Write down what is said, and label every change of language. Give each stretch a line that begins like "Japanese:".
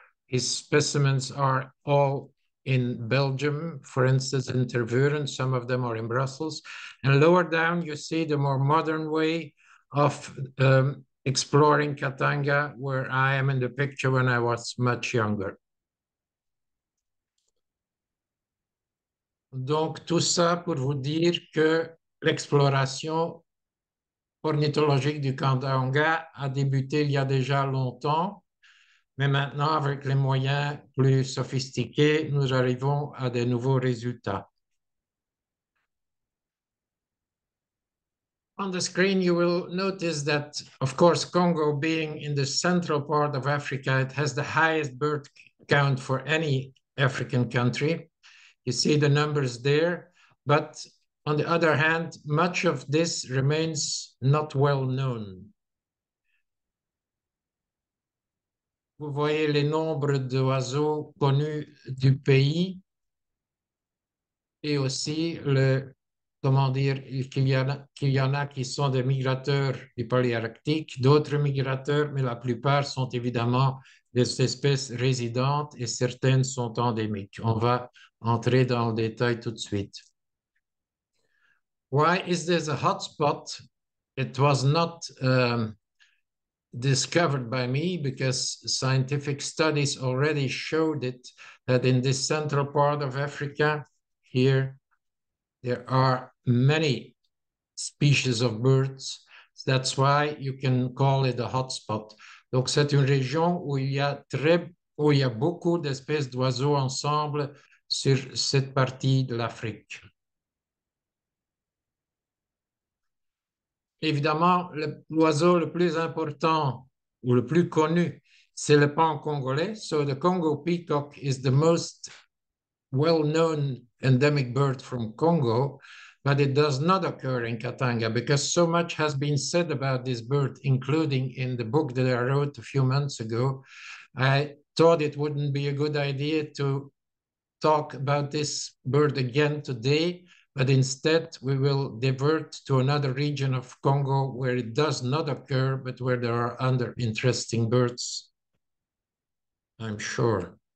English: His specimens are all in Belgium, for instance, in Tervuren, some of them are in Brussels. And lower down, you see the more modern way of exploring Katanga, where I am in the picture when I was much younger.
French: Donc, tout ça pour vous dire que l'exploration ornithologique du Katanga a débuté il y a déjà longtemps, mais maintenant, avec les moyens plus sophistiqués, nous arrivons à des nouveaux résultats.
English: On the screen, you will notice that, of course, Congo being in the central part of Africa, it has the highest bird count for any African country. You see the numbers there, but on the other hand, much of this remains not well known.
French: Vous voyez les nombres d'oiseaux connus du pays et aussi le, comment dire, qu'il y en a qui sont des migrateurs du Paléarctique, d'autres migrateurs, mais la plupart sont évidemment des espèces résidentes et certaines sont endémiques. On va entrer dans le détail tout de suite.
English: Why is this a hotspot? It was not discovered by me because scientific studies already showed it that in this central part of Africa, here, there are many species of birds. That's why you can call it a hotspot.
French: Donc, c'est une région où il y a beaucoup d'espèces d'oiseaux ensemble sur cette partie de l'Afrique. Évidemment, l'oiseau le plus important ou le plus connu, c'est le paon congolais.
English: So the Congo peacock is the most well-known endemic bird from Congo, but it does not occur in Katanga because so much has been said about this bird, including in the book that I wrote a few months ago. I thought it wouldn't be a good idea to talk about this bird again today, but instead we will divert to another region of Congo where it does not occur, but where there are other interesting birds, I'm sure.